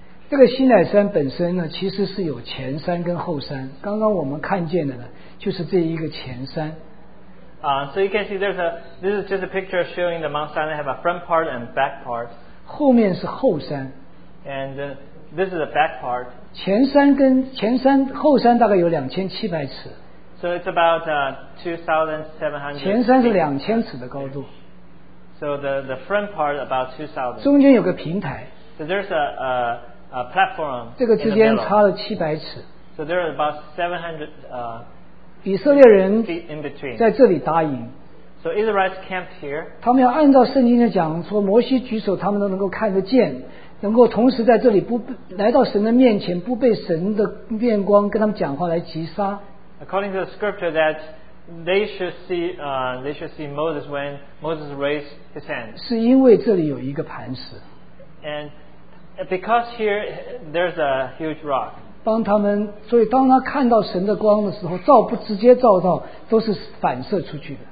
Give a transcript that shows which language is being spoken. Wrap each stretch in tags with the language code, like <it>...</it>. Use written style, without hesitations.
<zh>这个西乃山本身呢，其实是有前山跟后山。刚刚我们看见的呢，就是这一个前山。</zh> <en>So you can see there's a this is just a picture showing the Mount Sinai have a front part and back part.</en> <zh>后面是后山。</zh> <en>And this is the back part.</en> <zh>前山跟前山后山大概有2700尺。</zh> <en>So it's about 2,700.</en> <zh>前山是2000尺的高度。</zh> <en>So the front part about 2,000.</en> <zh>中间有个平台。</zh> <en>So there's a platform.</en> <zh>这个之间差了700尺。</zh> <en>So there are about 700.</en> <zh>以色列人在这里搭营。</zh> <en>So Israelites camped here.</en> <zh>他们要按照圣经的讲说，摩西举手，他们都能够看得见。能够同时在这里不来到神的面前，不被神的面光跟他们讲话来击杀。</zh> <en>According to the scripture, that they should see Moses when Moses raised his hand.</en> <zh>是因为这里有一个磐石。</zh> <en>And because here there's a huge rock.</en> <zh>帮他们，所以当他看到神的光的时候，照不直接照到，都是反射出去的。</zh>